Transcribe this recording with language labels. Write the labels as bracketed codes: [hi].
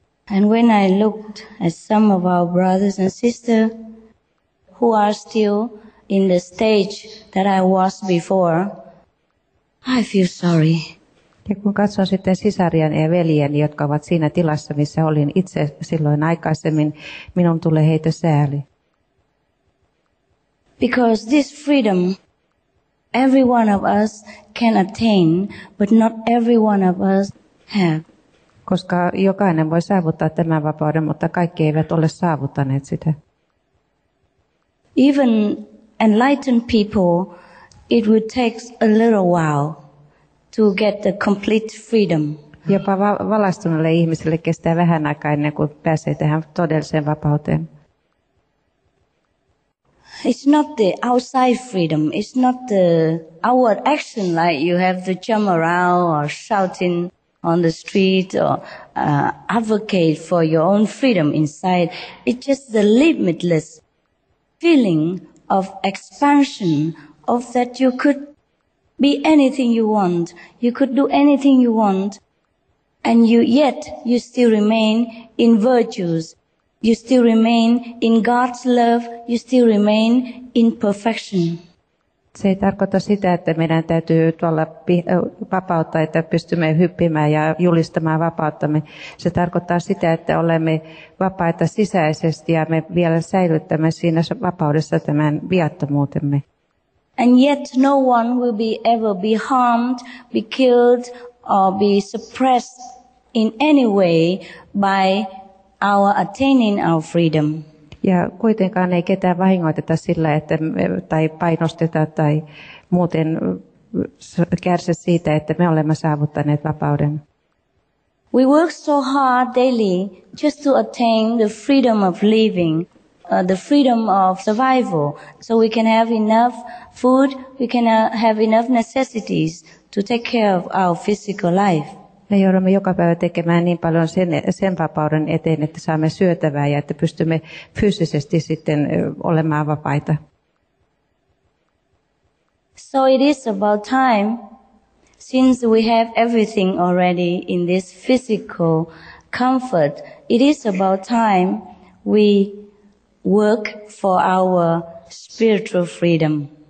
[en] And when I looked at some of our brothers and sisters who are still in the stage that I was before, I feel sorry. [fi] Ja kun katson sitten sisariani ja veljeni, jotka ovat siinä tilassa, missä olin itse silloin aikaisemmin, minun tulee heitä sääli. [en] Because this freedom, every one of us can attain, but not every one of us have. [fi] Koska jokainen voi saavuttaa tämän vapauden, mutta kaikki eivät ole saavuttaneet sitä. [en] Even enlightened people, it would take a little while to get the complete freedom. [fi] Jopa valaistuneelle ihmiselle kestää vähän aikaa ennen kuin pääsee tähän todelliseen vapauteen. [en] It's not the outside freedom. It's not the outward action like you have to jump around or shouting on the street or advocate for your own freedom inside. It's just the limitless feeling of expansion of that you could be anything you want. You could do anything you want. And yet you still remain in virtues. You still remain in God's love. You still remain in perfection. [fi] Se ei tarkoita sitä, että meidän täytyy tuolla vapautta, että pystymme hyppimään ja julistamaan vapauttamme. Se tarkoittaa sitä, että olemme vapaita sisäisesti ja me vielä säilyttämme siinä vapaudessa tämän viattomuutemme. [en] And yet no one will be ever be harmed, be killed or be suppressed in any way by our attaining our freedom. [fi] Ja kuitenkaan ei ketään vahingoiteta sillä, että tai painosteta tai muuten kärsi siitä, että me olemme saavuttaneet vapauden. [en] We work so hard daily just to attain the freedom of living. The freedom of survival, so we can have enough food, we can have enough necessities to take care of our physical life. [fi] Me joudumme joka päivä tekemään niin paljon sen vapauden eteen, että saamme syötävää ja että pystymme fyysisesti sitten olemaan vapaita. [en] So it is about time, since we have everything already in this physical comfort, it is about time we work for our spiritual freedom.